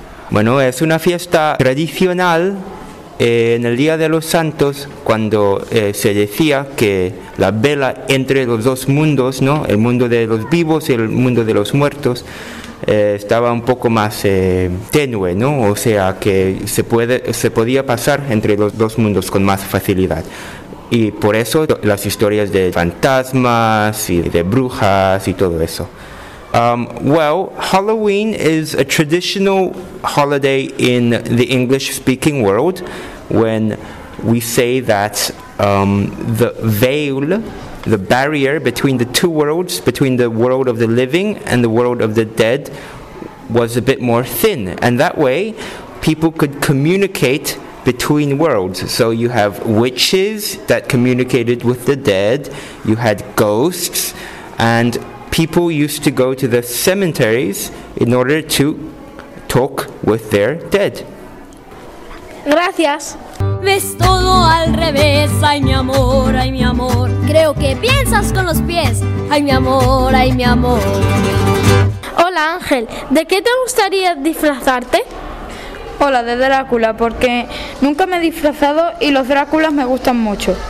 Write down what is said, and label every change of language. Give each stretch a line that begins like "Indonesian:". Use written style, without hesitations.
Spanish: Bueno, es una fiesta tradicional en el Día de los Santos, cuando se decía que la vela entre los dos mundos, ¿no?, el mundo de los vivos y el mundo de los muertos, estaba un poco más tenue, ¿no? O sea, que se podía pasar entre los dos mundos con más facilidad. Y por eso las historias de fantasmas y de brujas y todo eso.
English: Well, Halloween is a traditional holiday in the English-speaking world when we say that the veil, the barrier between the two worlds, between the world of the living and the world of the dead, was a bit more thin. And that way, people could communicate between worlds. So you have witches that communicated with the dead, you had ghosts, and people used to go to the cemeteries in order to talk with their dead.
Spanish: Gracias. ves todo al revés. Ay mi amor, creo que piensas con los pies. Ay mi amor Hola Ángel, ¿de qué te gustaría disfrazarte? Hola, de Drácula, porque nunca me he disfrazado y los Dráculas me gustan mucho.